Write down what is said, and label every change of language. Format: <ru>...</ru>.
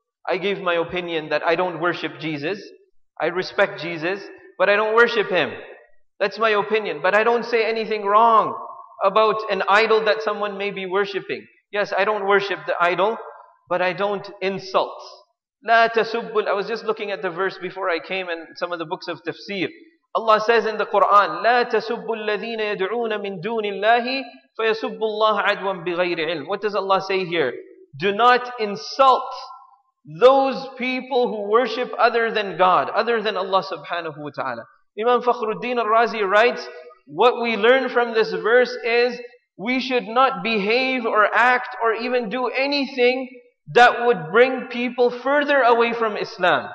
<en>I gave my opinion that I don't worship Jesus. I respect Jesus, but I don't worship him. That's my opinion. But I don't say anything wrong about an idol that someone may be worshiping. Yes, I don't worship the idol, but I don't insult.</en> <ar>لَا تَسُبُّ الْ</ar> <en>I was just looking at the verse before I came and some of the books of tafsir. Allah says in the Quran,</en> <ar>لَا تَسُبُّ الَّذِينَ يَدْعُونَ مِن دُونِ اللَّهِ فَيَسُبُّ اللَّهَ عَدْوًا بِغَيْرِ عِلْمٍ</ar> <en>What does Allah say here? Do not insult those people who worship other than God, other than Allah subhanahu wa ta'ala. Imam Fakhruddin al-Razi writes, what we learn from this verse is, we should not behave or act or even do anything that would bring people further away from Islam.</en>